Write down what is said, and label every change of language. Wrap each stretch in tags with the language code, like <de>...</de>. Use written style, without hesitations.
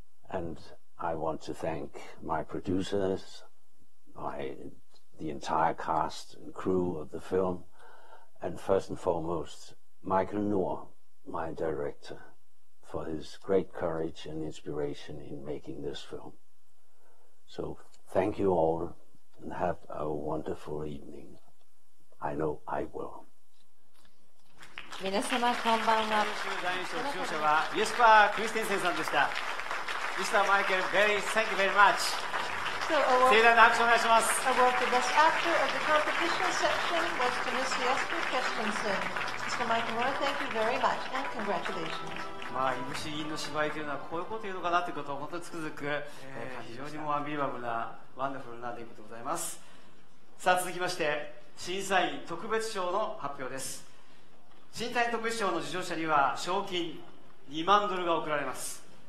<en>And I want to thank my producers, the entire cast and crew of the film, and first and foremost, Michael Noor, my director, for his great courage and inspiration in making this film. So thank you all, and have a wonderful evening. I know I will.</en> <ja>皆様こんばんは。第2章受賞者はイェスパー・クリステンセンさんでした。</ja> <en>ミスター・マイケル、very, thank you very much. So, award,</en> <ja>盛大な拍手お願いします。</ja> <en>Award for Best Actor of the Competition Section was to Ms. Jesper Christensen. Mr. Michael Moore, thank you very much and congratulations.</en> <ja>まあ、イムシギンの芝居というのはこういうこと言うのかなということを本当につくづく、非常にもアンビリバブルなワンダフルな出来事でございます。さあ、続きまして審査員特別賞の発表です。審査員特別賞の受賞者には賞金2万ドルが贈られます。</ja>